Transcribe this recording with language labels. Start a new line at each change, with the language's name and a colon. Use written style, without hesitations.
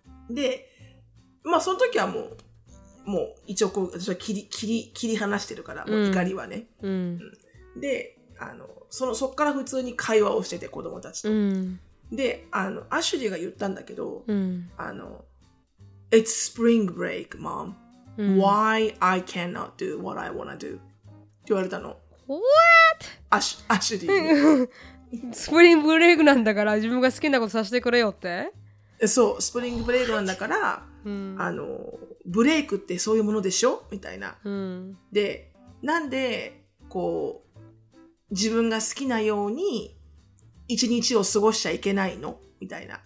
Japanese: で、まあその時はもう一応こう私は切り離してるからもう怒りはね、うんうん、で、あのそっから普通に会話をしてて子供たちと、うん、で、あの、アシュリーが言ったんだけど、うん、
English: あの、It's spring break, mom. Why I cannot do what I wanna do?
Japanese: って言われたの。
English: What?
Japanese: アシュリーに。スプリングブレイクなんだから、自分が好きなことさせてくれよって。そう、スプリングブレイクなんだから、あの、ブレイクってそういうものでしょみたいな、うん。で、なんで、こう、自分が好きなように、一日を過ごしちゃいけないのみたいな、